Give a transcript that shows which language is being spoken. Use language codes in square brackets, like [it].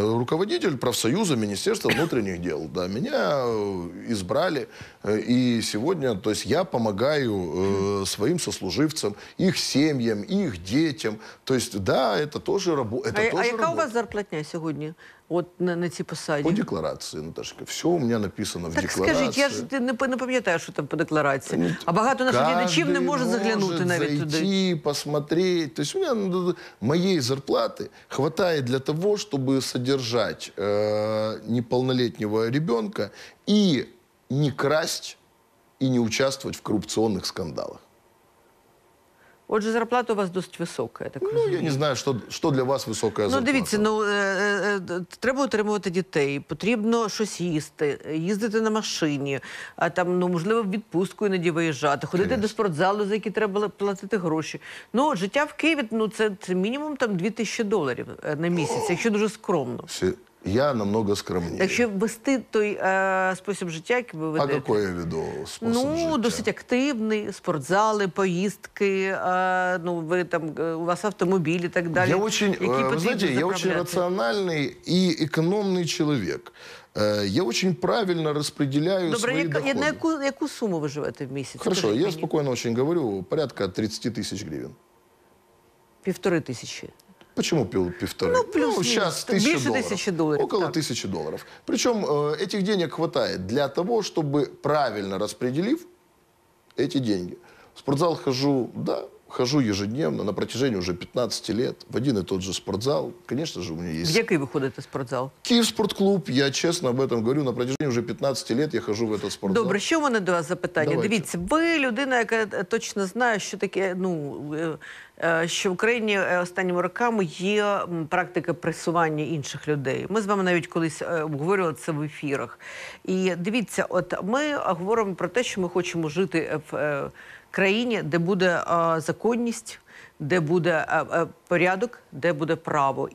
[ru] Руководитель профсоюза Министерства внутренних дел. Да, меня избрали. И сегодня, то есть я помогаю своим сослуживцам, их семьям, их детям. То есть, да, это тоже работа. А какая у вас зарплатня сегодня? [uk] От на цій посаді. По декларації, Наташка. Все у мене написано в так, декларації. Так скажіть, я ж не пам'ятаю, що там по декларації. А багато наших глядачів не може заглянути навіть туди. Кожен може зайти, [ru] посмотреть. [uk] Тобто у мене моєї зарплати хватає для того, щоб содержати неповнолітнього дитину і не красти, і не участвувати в корупційних скандалах. Отже, зарплата у вас досить висока, я так розумію. Ну, я не знаю, що для вас висока зарплата. Ну, дивіться, ну, треба утримувати дітей, потрібно щось їсти, їздити на машині, а там, ну, можливо, в відпустку іноді виїжджати, ходити до спортзалу, за які треба платити гроші. Ну, життя в Києві, ну, це мінімум там $2000 на місяць, якщо дуже скромно. [ru] Я намного скромнее. [uk] Так що вести той спосіб життя, який ви ведете? А який я веду спосіб життя? Ну, досить активний, спортзали, поїздки, ну, ви там, у вас автомобіль і так далі. [ru] Я очень, я очень [uk] раціональний і економний чоловік. [ru] Я очень правильно распределяю свои доходы. [uk] Добре, на яку суму ви живете в місяць? [ru] Хорошо, я [uk] спокійно [ru] очень говорю, порядка 30 тисяч гривен. 1500? Почему [uk] півтори? [ru] Ну, плюс, ну, сейчас тысяча долларов. Около $1000. Причем этих денег хватает для того, чтобы правильно распределив эти деньги. В спортзал хожу, да, хожу ежедневно на протяжении уже 15 лет. В один и тот же спортзал. Конечно же, у меня есть... В який выходит этот спортзал? Киев спортклуб. Я честно об этом говорю. На протяжении уже 15 лет я хожу в этот спортзал. [uk] Добре, [ru] еще у меня [uk] до вас запитання. Дивіться, ви людина, яка точно знає, що таке, ну... що в Україні останніми роками є практика пресування інших людей. Ми з вами навіть колись обговорювали це в ефірах. І дивіться, от ми говоримо про те, що ми хочемо жити в країні, де буде законність, де буде порядок, де буде право.